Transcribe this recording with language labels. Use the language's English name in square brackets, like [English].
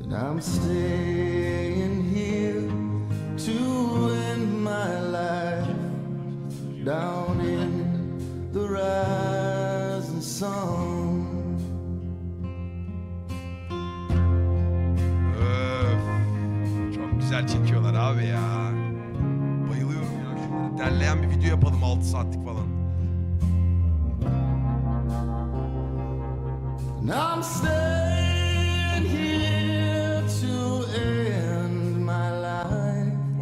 [English] I'm staying here to end my life down in the rising sun. [Turkish] Öf, çok güzel çekiyorlar abi ya. Bayılıyorum ya. Şunları derleyen bir video yapalım 6 saatlik falan. [English] I'm staying here to end my life.